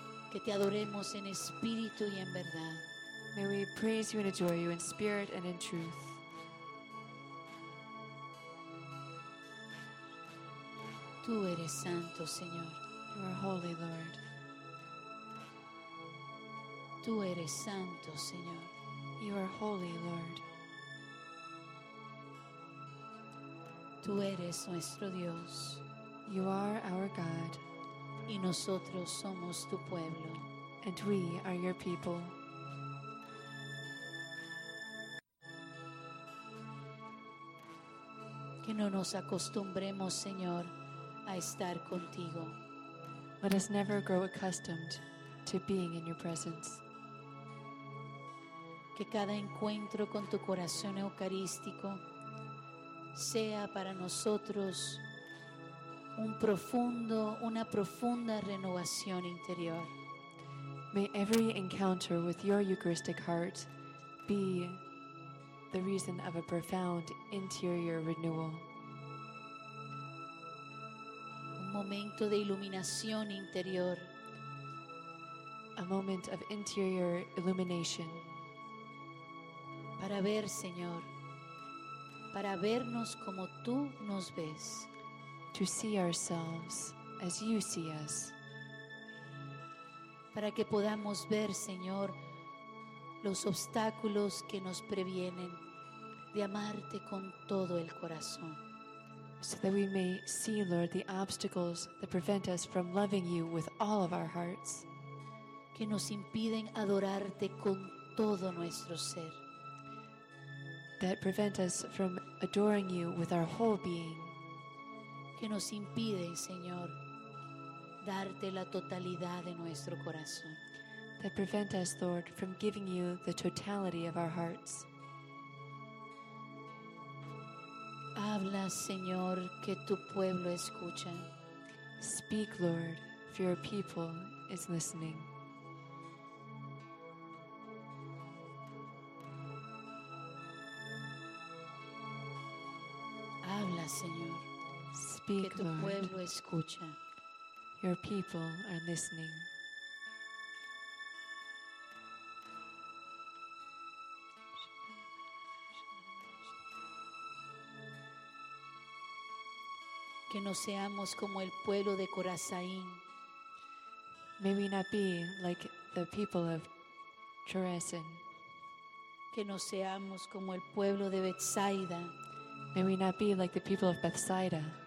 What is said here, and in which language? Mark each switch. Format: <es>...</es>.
<es>Que te adoremos en espíritu y en verdad.</es> <en>May we praise you and adore you in spirit and in truth.</en> <es>Tú eres santo, Señor.</es> <en>You are holy, Lord.</en> <es>Tú eres santo, Señor.</es> <en>You are holy, Lord.</en> <es>Tú eres nuestro Dios.</es> <en>You are our God.</en> <es>Y nosotros somos tu pueblo.</es> <en>And we are your people.</en> <es>Que no nos acostumbremos, Señor, a estar contigo.</es> <en>Let us never grow accustomed to being in your presence.</en> <es>Que cada encuentro con tu corazón eucarístico sea para nosotros una profunda renovación interior.</es> <en>May every encounter with your Eucharistic heart be the reason of a profound interior renewal.</en> <es>Un momento de iluminación interior.</es> <en>A moment of interior illumination.</en> <es>Para ver, Señor, para vernos como tú nos ves.</es> <en>To see ourselves as you see us.</en> <es>Para que podamos ver, Señor, los obstáculos que nos previenen de amarte con todo el corazón.</es> <en>So that we may see, Lord, the obstacles that prevent us from loving you with all of our hearts.</en> <es>Que nos impiden adorarte con todo nuestro ser.</es> <en>That prevent us from adoring you with our whole being.</en> <es>Que nos impide, Señor, darte la totalidad de nuestro corazón.</es> <en>That prevent us, Lord, from giving you the totality of our hearts.</en> <es>Habla, Señor, que tu pueblo escucha.</es> <en>Speak, Lord, for your people is listening.</en> <es>Señor.</es> <en>Speak,</en> <es>que tu</es> <en>Lord.</en> <es>Pueblo escucha.</es> <en>Your people are listening.</en> <es>Que no seamos como el pueblo de Corazaín.</es> <en>May we not be like the people of Chorazin.</en> <es>Que no seamos como el pueblo de Bethsaida.</es> <en>May we not be like the people of Bethsaida.</en>